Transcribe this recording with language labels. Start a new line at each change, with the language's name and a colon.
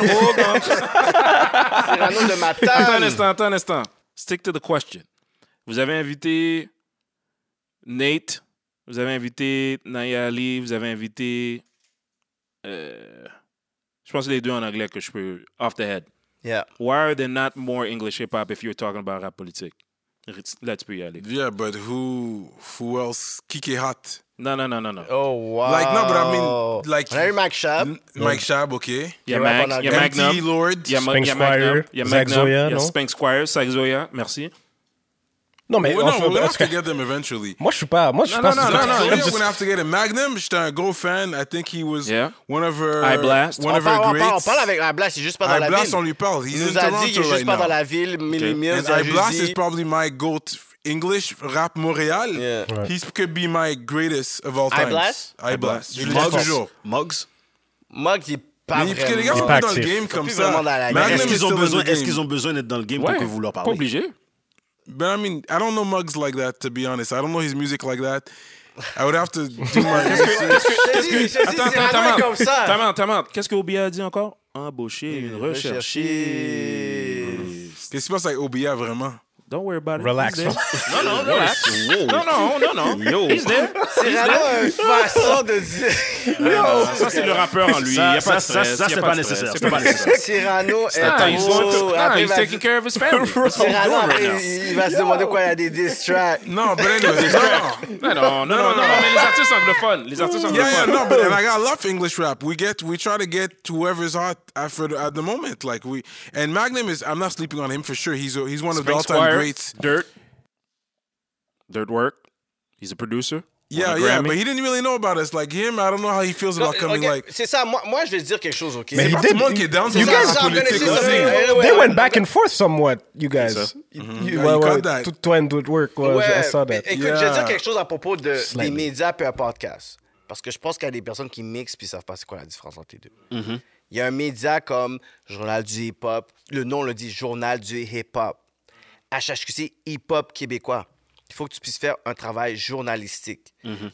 French: Cyrano de Matane. Attends un instant.
English: Stick to the question.
French: Vous avez invité Nate. Vous avez invité Nayali. Vous avez invité... je pense que les deux en anglais que je peux...
English: Off the head. Yeah. Why are there not more English hip-hop if you're talking about rap politique? Let's be honest. Yeah, but who else? Kiki Hot. No. Oh, wow. Like, no, but I mean, like... Larry Mike Schaab. Mike Schaab, okay. Yeah, Mac. Yeah, Magnum. MD Lord. Spank Squire. Zach Zoya, no? Spank Squire, Zach Zoya. Merci.
French: Non, mais...
English: Well, we'll have to get them eventually.
French: Moi, je suis pas...
English: We'll have to get them. Magnum,
French: j'étais un gros fan.
English: I think he was one of her... I-Blast. One of her greats.
French: On parle avec I-Blast, il est juste pas dans la ville.
English: I-Blast,
French: on lui parle.
English: He's in Toronto right now.
French: Il nous a dit qu'il est juste pas dans la ville.
English: And I-Blast is probably my goat English rap Montréal. Yeah. Right. He could be my greatest of all times. I-Blast.
French: Je le dis toujours. Mugs, il... Parce que les gars sont dans le game comme ça. Est-ce qu'ils ont besoin d'être dans le game pour que vous leur parlez? Pas obligé.
English: But I mean, I don't know Muggs like that, to be honest. I don't know his music like that. I would have to do my research. Attends, qu'est-ce que OBA a dit encore? Embaucher, une recherche. Qu'est-ce qui se passe avec OBA vraiment? Don't worry about it. Relax. Relax. No. Yo. He's there.
French: Cyrano a une façon de dire. Yo. Ça, c'est le rappeur en lui. Ça, c'est pas nécessaire. C'est pas nécessaire. Cyrano est un gros.
English: He's taking care of his family.
French: Cyrano, il va se demander quoi, il y a des diss tracks.
English: Non, but anyway.
French: Non. Mais les artistes anglophones.
English: Yeah, no, but I love English rap. We try to get to whoever's hot at the moment. Like we. And Magnum is, I'm not sleeping on him for sure. He's one of the all-time. Dirt work. He's a producer. Yeah, yeah, but he didn't really know about us. Like him, I don't know how he feels about coming. Okay. Like,
French: c'est ça. Moi, je vais dire quelque chose. Okay. Mais c'est pas tout le monde qui est down.
English: You guys, they went back and forth somewhat. You guys, you caught that. Toi and Dude Work, I saw that.
French: Écoute, je vais dire quelque chose à propos des médias puis un podcast, parce que je pense qu'il y a des personnes qui mixent puis savent pas c'est quoi la différence entre les deux. Il y a un média comme Journal du Hip Hop. Le nom le dit, Journal du Hip Hop. HHQC Hip Hop Québécois. Il faut que tu puisses faire un travail journalistique. Mm-hmm.